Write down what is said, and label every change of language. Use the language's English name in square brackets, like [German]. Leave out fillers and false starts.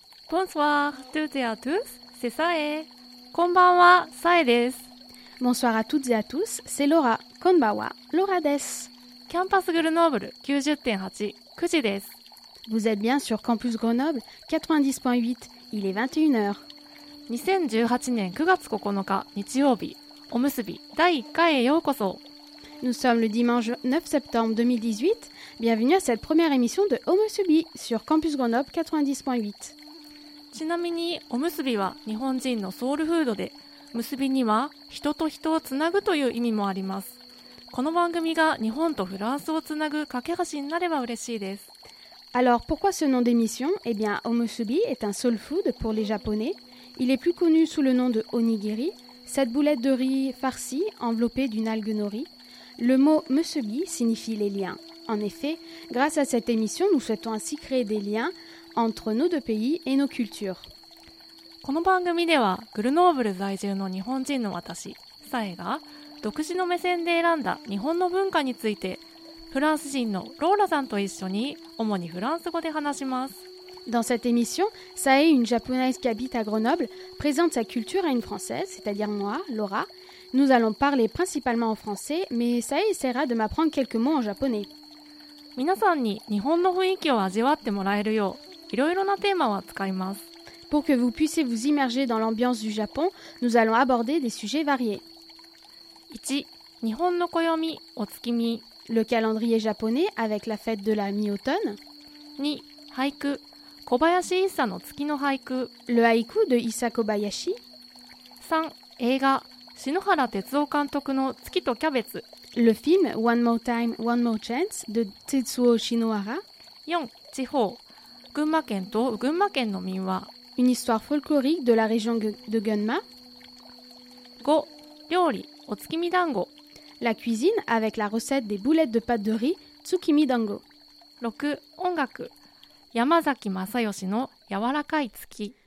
[French] Bonsoir toutes et à tous, c'est Sae. [Japanese] Konbanwa, Sae desu. [French] Bonsoir à toutes et à tous, c'est Laura. [Japanese] Konbanwa, Laura desu. Campus Grenoble 90.8, 9 desu. [French] Vous êtes bien sur Campus Grenoble 90.8, il est 21h. [Japanese] 2018年 9月 9日 日曜日, omusubi, 第1回 へ ようこそ. [French] Nous sommes le dimanche 9 septembre 2018. Bienvenue à cette première émission de Omusubi sur Campus Grenoble 90.8. [Japanese] ちなみに, omusubi は 日本人 の soul food で, musubi には 人 と 人 を つなぐ という 意味 も あります。この 番組 が 日本 と フランス を つなぐ 架け橋 に なれば 嬉しいです。 [French] Alors, pourquoi ce nom d'émission? Eh bien, omusubi est un soul food pour les Japonais. Il est plus connu sous le nom de onigiri, cette boulette de riz farcie enveloppée d'une algue nori. Le mot musubi signifie les liens. En effet, grâce à cette émission, nous souhaitons ainsi créer des liens entre nos deux pays et nos cultures. [Japanese] この番組では、グルノーブル在住の日本人の私、サエが、独自の目線で選んだ日本の文化について、フランス人のローラさんと一緒に主にフランス語で話します。 [French] Dans cette émission, Sae, une japonaise qui habite à Grenoble, présente sa culture à une française, c'est-à-dire moi, Laura. Nous allons parler principalement en français, mais Sae essaiera de m'apprendre quelques mots en japonais. [Japanese] 皆さんに日本の雰囲気を味わってもらえるよう、いろいろなテーマを扱います。 [French] Pour que vous puissiez vous immerger dans l'ambiance du Japon, nous allons aborder des sujets variés. [Japanese] 1. 日本の暦、お月見。 [French] Le calendrier japonais avec la fête de la mi-automne. [Japanese] 2. 俳句。 Kobayashi Issa の月の俳句。 [French] Le haïku de Issa Kobayashi. [Japanese] 3. 映画。篠原哲夫監督の月とキャベツ。 [French] Le film One More Time, One More Chance de Tetsuo Shinohara. [Japanese] 4. 地方。群馬県と群馬県の民話。 [French] Une histoire folklorique de la région de Gunma. [Japanese] 5. 料理。お月見団子。 [French] La cuisine avec la recette des boulettes de pâte de riz, Tsukimi Dango. [Japanese] 6. 音楽 Yamazaki Masayoshi no Yawarakai Tsuki.